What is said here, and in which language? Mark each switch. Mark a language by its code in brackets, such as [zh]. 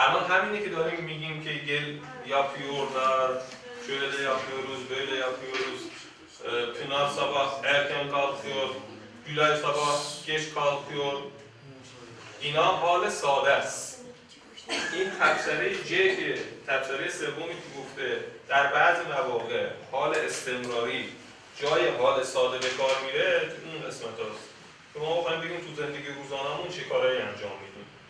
[fa] همینی که داریم میگیم که [tr] گل yapıyorlar, şöyle de yapıyoruz, böyle yapıyoruz. Pınar sabah erken kalkıyor, Gülay sabah geç kalkıyor. [fa] اینا حال ساده است. این تبصره جه که تبصره سومی که گفته در بعض مواقع حال استمراری جای حال ساده به کار میره، اون قسمت هاست که ما بخواییم بگیم تو زندگی روزانمون چه کارهایی انجام میدیم.